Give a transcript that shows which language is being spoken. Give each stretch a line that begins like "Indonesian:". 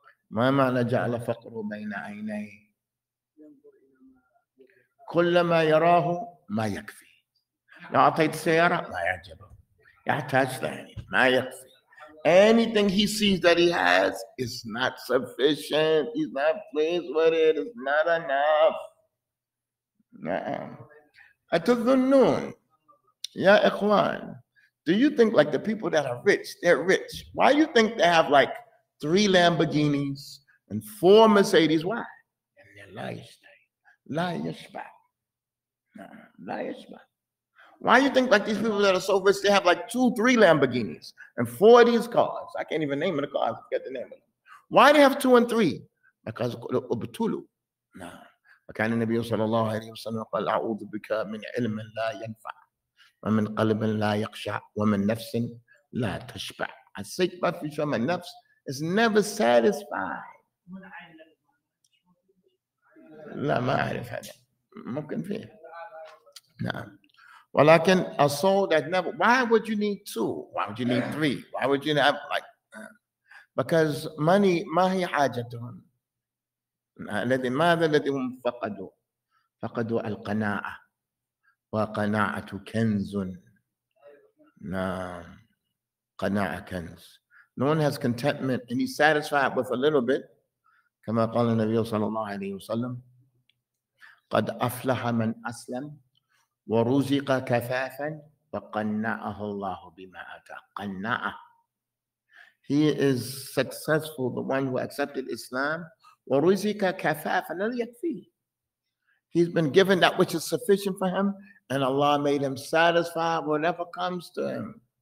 Arabic: ما معنى جعل فقره بين عيني؟ كل ما يراه ما يكفي. لو أعطيت سيارة ما يعجبه. يحتاج ثاني. ما يكفي.
English: Anything he sees that he has is not sufficient. He's not pleased with it. It's not enough.
Arabic: أتظنون يا إخوان,
English: do you think like the people that are rich, they're rich? Why do you think they have like 3 Lamborghinis and 4 Mercedes? Why? And they're
Arabic: لا يشبع.
English: Why you think like these people that are so rich, they have like 2-3 Lamborghinis and 4 of these cars? I can't even name the car, I forget the name of them. Why they have 2 and 3? Because ubtulu. Nah.
Arabic: وكان النبي صلى الله عليه وسلم قال أعوذ بك من علم لا ينفع ومن قلب لا يقشع ومن نفس لا تشبع.
English: I say but for sure my nafs is never satisfied.
Arabic: لا ما أعرف هذا. ممكن فيه. نعم.
English: ولكن a soul that never, why would you need 2? Why would you need 3? Why would you have like, because money,
Arabic: ما هي حاجتهم؟ الذي ماذا الذي هم فقدوا؟ فقدوا القناعة. وقناعة كنز. نعم. قناعة كنز.
English: No one has contentment and he's satisfied with a little bit.
Arabic: كما قال النبي صلى الله عليه وسلم قد أفلح من أسلم ورزق كفافا فقنعه الله بما أتى. قنعه.
English: He is successful, the one who accepted Islam.
Arabic: ورزق كفافا لن يكفي.
English: He's been given that which is sufficient for him and Allah made him satisfied whatever comes to him.